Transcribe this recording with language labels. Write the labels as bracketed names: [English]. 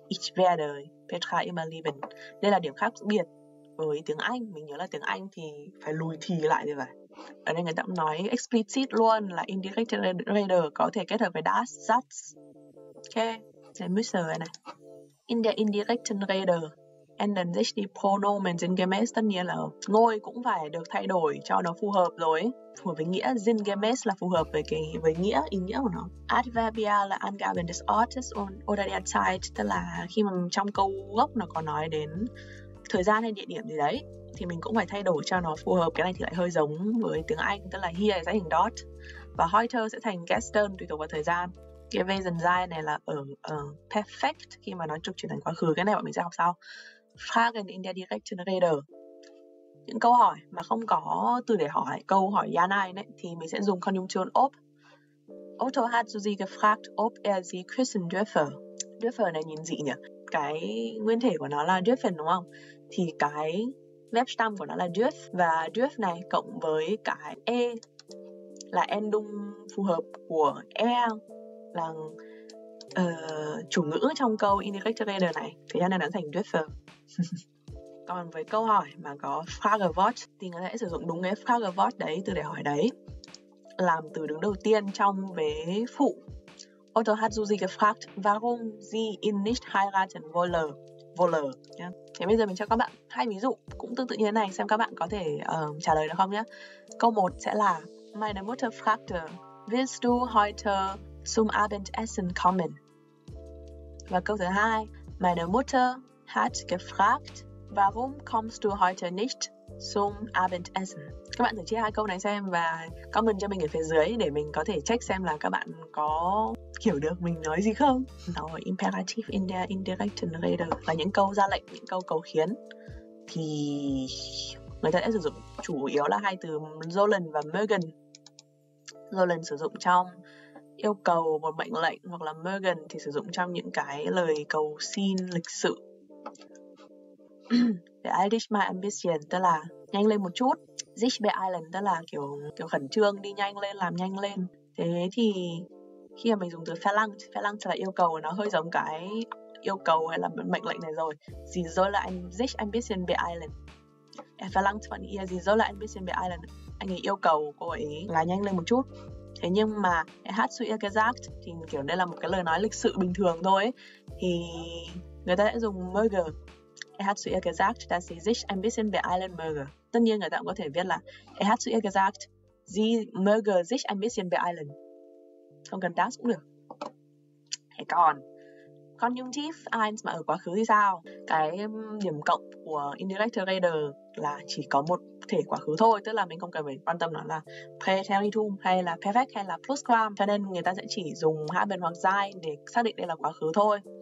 [German] Ich werde Petra immer lieben. [Vietnamese] Đây là điểm khác biệt với tiếng Anh. Mình nhớ là tiếng Anh thì phải lùi thì lại như vậy. Ở đây người ta cũng nói explicit luôn là indirect rede có thể kết hợp với das, das. Ok, sẽ müsse này. [German] In der indirekten rede ändern sich die Pronomen sinngemäß, [Vietnamese] tất nhiên là ngôi cũng phải được thay đổi cho nó phù hợp rồi. Phù hợp với nghĩa, sinngemäß là phù hợp với nghĩa, ý nghĩa của nó. [German] Adverbial Angaben des Ortes oder der Zeit, [Vietnamese] tức là khi mà trong câu gốc nó có nói đến thời gian hay địa điểm gì đấy, thì mình cũng phải thay đổi cho nó phù hợp. Cái này thì lại hơi giống với tiếng Anh, tức là hier sẽ thành dort. Và heute sẽ thành gestern, tùy thuộc vào thời gian. Gewesen sein này là ở perfect, khi mà nó trực chuyển thành quá khứ, cái này bọn mình sẽ học sau. [German] Fragen in der direkten Rede. [Vietnamese] Những câu hỏi mà không có từ để hỏi, câu hỏi ja nein ấy, thì mình sẽ dùng Konjunktion ob. [German] Otto hat Susi gefragt, ob er sie küssen dürfe. [Vietnamese] Dürfe này nhìn dị nhỉ? Cái nguyên thể của nó là dürfen đúng không? Thì cái verb stamm của nó là dürf. Và dürf này cộng với cái e là ending phù hợp của e là chủ ngữ trong câu integrator này, thì nó đã thành dresser. Còn với câu hỏi mà có frage wort thì người ta sẽ sử dụng đúng cái frage wort đấy, từ để hỏi đấy, làm từ đứng đầu tiên trong vế phụ. [German] Otto hat du sie gefragt, warum sie ihn nicht heiraten wollen. [Vietnamese] Thế bây giờ mình cho các bạn hai ví dụ cũng tương tự như thế này, xem các bạn có thể trả lời được không nhé. Câu 1 sẽ là: [German] Meine Mutter fragte, willst du heute zum Abendessen kommen? Và câu thứ 2: Meine Mutter hat gefragt, warum kommst du heute nicht zum Abendessen? [Vietnamese] Các bạn thử chia hai câu này xem và comment cho mình ở phía dưới để mình có thể check xem là các bạn có hiểu được mình nói gì không. Rồi, imperative [German] in der indirekten Rede [Vietnamese] là những câu ra lệnh, những câu cầu khiến, thì người ta sẽ sử dụng chủ yếu là hai từ sollen và mögen. Sollen sử dụng trong yêu cầu một mệnh lệnh, hoặc là mögen thì sử dụng trong những cái lời cầu xin lịch sự. [German] Beeil dich mal ein bisschen, [Vietnamese] tức là nhanh lên một chút. Sich beeilen, tức là kiểu khẩn trương, đi nhanh lên, làm nhanh lên. Thế thì khi mà mình dùng từ verlangt là yêu cầu, nó hơi giống cái yêu cầu hay là mệnh lệnh này rồi. [German] Sie soll sich ein bisschen beeilen. Er verlangt von ihr, sie soll ein bisschen beeilen. [Vietnamese] Anh ấy yêu cầu cô ấy là nhanh lên một chút. Thế nhưng mà [German] er hat zu ihr gesagt, [Vietnamese] thì kiểu đây là một cái lời nói lịch sự bình thường thôi ấy, thì người ta sẽ dùng möge. [German] Er hat zu ihr gesagt, dass sie sich ein bisschen beeilen möge. [Vietnamese] Tất nhiên người ta cũng có thể viết là [German] er hat zu ihr gesagt, sie möge sich ein bisschen beeilen. [Vietnamese] Không cần das cũng được. Thế còn conjunctive 1 mà ở quá khứ thì sao? Cái điểm cộng của indirectorator là chỉ có một thể quá khứ thôi, tức là mình không cần phải quan tâm nó là preteritum hay là perfect hay là plusquam. Cho nên người ta sẽ chỉ dùng hai bên hoặc sein để xác định đây là quá khứ thôi.